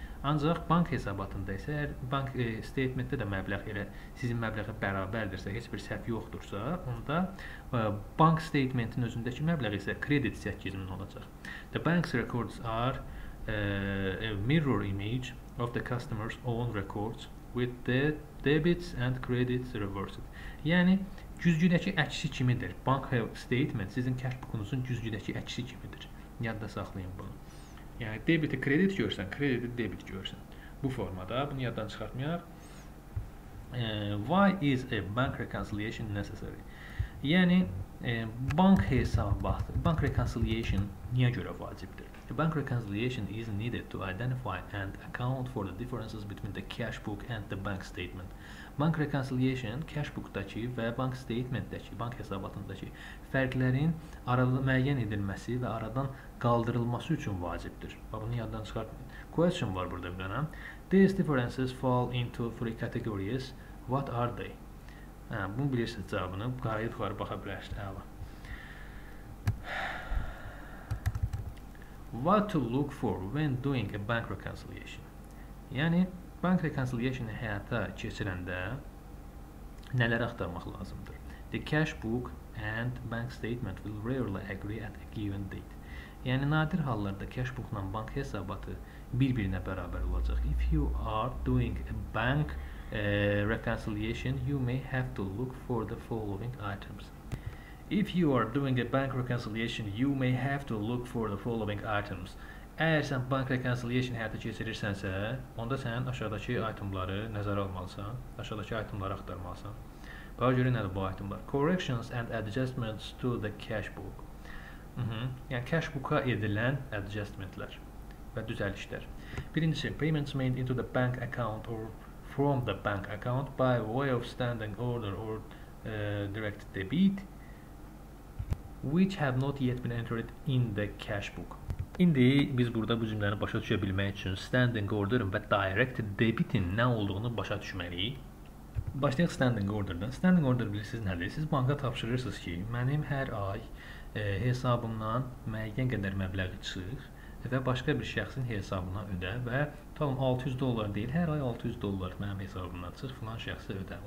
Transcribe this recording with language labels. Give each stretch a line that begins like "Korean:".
Azerbaijani: Ancaq bank hesabatında isə, əgər bank statementdə də məbləğ elə sizin məbləğə bərabərdirsə, heç bir səhv yoxdursa, onda bank statementin özündəki məbləğ isə kredit 8000 olacaq.
English: The bank's records are a mirror image of the customer's own records with the debits and credits reversed.
Azerbaijani: Yəni, güzgüdəki əksi kimidir. Bank statement sizin cashbook-unuzun güzgüdəki əksi kimidir. Yadda saxlayın bunu. Yəni, debiti kredit görsən, krediti debit görsən. Bu formada, bunu yaddan çıxartmayaq.
English: Why is a bank reconciliation necessary?
Azerbaijani: Yəni, bank hesabatı, bank reconciliation niyə görə vacibdir?
English: A bank reconciliation is needed to identify and account for the differences between the cash book and the bank statement.
Azerbaijani: Bank reconciliation, cash book-dakı və bank statement-dakı, bank hesabatındakı fərqlərin aralı müəyyən edilməsi və aradan qaldırılması üçün vacibdir. Bunu yaddan çıxartmayın. Question var burada bir dənə.
English: These differences fall into three categories. What are they?
Azerbaijani: Bunu bilirsiniz cavabını. Qayıt var, baxa bilərsiniz.
English: What to look for when doing a bank reconciliation?
Azerbaijani: Yəni, bank reconciliation-ı həyata keçirəndə nələr axtarmaq lazımdır?
English: The cash book and bank statement will rarely agree at a given date.
Azerbaijani: Yəni, nadir hallarda cash book-la bank hesabatı bir-birinə bərabər olacaq.
English: If you are doing a bank reconciliation, you may have to look for the following items. If you are doing a bank reconciliation, you may have to look for the following items.
Azerbaijani: Əgər sən bank reconciliation həyata keçirirsənsə, onda sən aşağıdakı itemları nəzərə almalısan, aşağıdakı itemları axtarmalısan. Bax görə nədir bu itemlar?
English: Corrections and adjustments to the cash book.
Azerbaijani: Yəni cash booka edilən adjustmentlər və düzəlişlər.
English: Birincisi, payments made into the bank account or from the bank account by way of standing order or direct debit, which have not yet been entered in the cash book.
Azerbaijani: İndi biz burada bu cümləni başa düşə bilmək üçün standing order və direct debitin nə olduğunu başa düşməliyik. Başlayıq standing order-dan. Standing order bilirsiniz nədir? Siz banka tapşırırsınız ki, mənim hər ay hesabımdan müəyyən qədər məbləği çıx və başqa bir şəxsin hesabına ödə və tam 600 dollar deyil, hər ay 600 dollar mənim hesabımdan çıx, filan şəxsə ödə.